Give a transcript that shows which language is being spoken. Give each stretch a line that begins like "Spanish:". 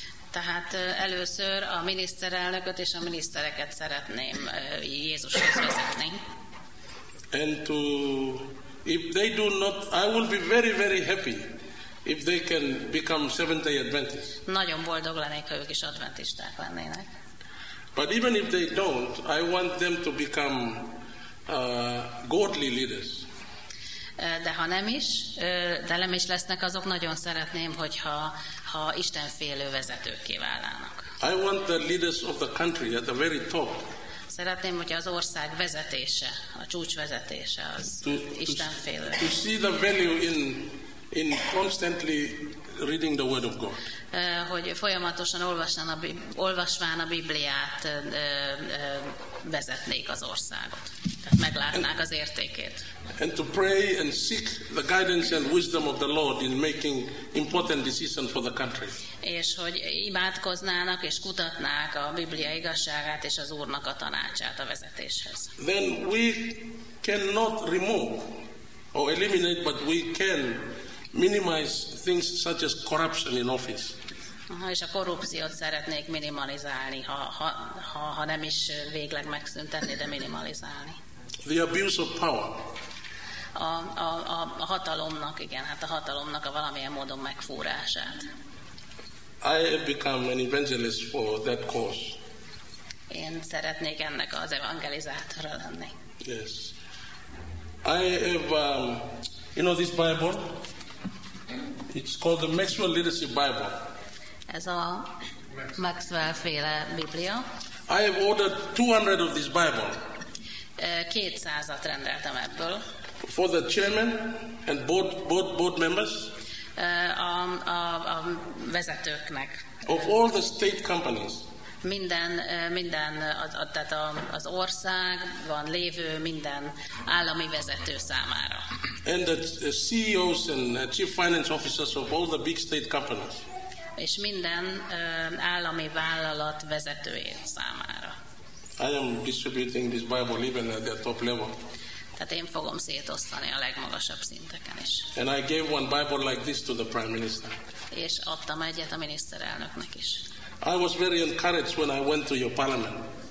Hungarian: Tehát először a miniszterelnököt és a minisztereket szeretném Jézushoz vezetni.
English: And to if they do not, I will be very very happy if they can become Seventh-day Adventists.
Hungarian: Nagyon boldog lennék, ha ők is adventisták lennének.
English: But even if they don't, I want them to become godly leaders.
Hungarian: de ha nem is, de nem is lesznek, azok nagyon szeretném, hogyha ha Isten félő vezetőkké válnának.
English: I want the leaders of the country at the very top.
Hungarian: Szeretném, hogy az ország vezetése, a csúcs vezetése az Isten félő.
English: To see the value in constantly reading the word of God.
Hungarian: Hogy folyamatosan olvasván a Bibliát vezetnék az országot. Tehát meglátnák az értékét.
English: And to pray and seek the guidance and wisdom of the Lord in making important decisions for the country.
Hungarian: És hogy imádkoznának és kutatnák a Biblia igazságát és az Úrnak a tanácsát a vezetéshez.
English: Then we cannot remove or eliminate, but we can minimize things such as corruption in office.
Hungarian: Aha, és a korrupciót szeretnék minimalizálni, ha nem is végleg megszüntetni, de minimalizálni.
English: The abuse of power.
Hungarian: A hatalomnak, igen, hát a hatalomnak a valamilyen módon megfúrását.
English: I have become an evangelist for that cause.
Hungarian: Én szeretnék ennek az evangelizátora lenni.
English: Yes. I have, you know this Bible? It's called the Maxwell Leadership Bible.
Hungarian: Ez a Maxwell-féle Biblia.
English: I have ordered 200 of this Bible.
Hungarian: 200-at rendeltem ebből.
English: For the chairman and board members.
Hungarian: A vezetőknek.
English: Of all the state companies.
Hungarian: Minden tehát az ország van lévő minden állami vezető számára.
English: And the CEOs and chief finance officers of all the big state companies.
Hungarian: És minden állami vállalat vezetője számára.
English: I am distributing this Bible even at their top level.
Hungarian: Tehát én fogom szétosztani a legmagasabb szinteken is.
English: And I gave one Bible like this to the Prime Minister.
Hungarian: És adtam egyet a miniszterelnöknek is.
English: I was very encouraged when I went to your parliament.